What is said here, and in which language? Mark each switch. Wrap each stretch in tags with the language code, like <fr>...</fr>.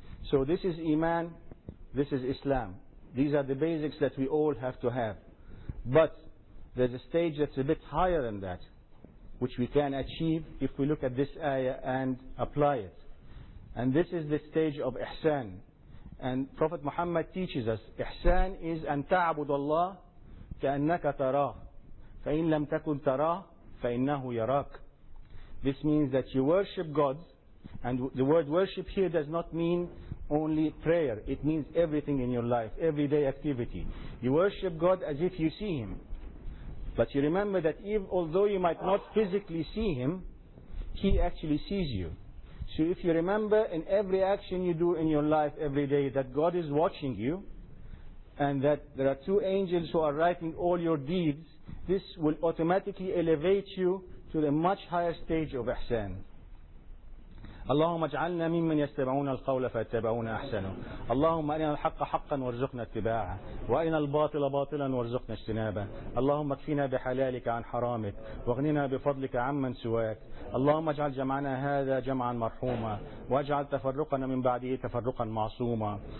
<en>So this is iman, this is Islam. These are the basics that we all have to have. But there's a stage that's a bit higher than that, which we can achieve if we look at this ayah and apply it. And this is the stage of ihsan. And Prophet Muhammad teaches us, ihsan is</en> <ar>أن تعبد الله كأنك تراه فإن لم تكن تراه فإنه يراك.</ar> <en>This means that you worship God, and the word worship here does not mean only prayer. It means everything in your life, everyday activity. You worship God as if you see Him. But you remember that even although you might not physically see Him, He actually sees you. So if you remember in every action you do in your life every day that God is watching you, and that there are two angels who are writing all your deeds, this will automatically elevate you to the much higher stage of ihsan.</en> <ar>اللهم اجعلنا ممن يستمعون القول فيتبعون احسنه اللهم ارنا الحق حقا وارزقنا اتباعه وارنا الباطل باطلا وارزقنا اجتنابه اللهم اكفنا بحلالك عن حرامك واغننا بفضلك عمن سواك اللهم اجعل جمعنا هذا جمعا مرحوما واجعل تفرقنا من بعده تفرقا معصوما</ar>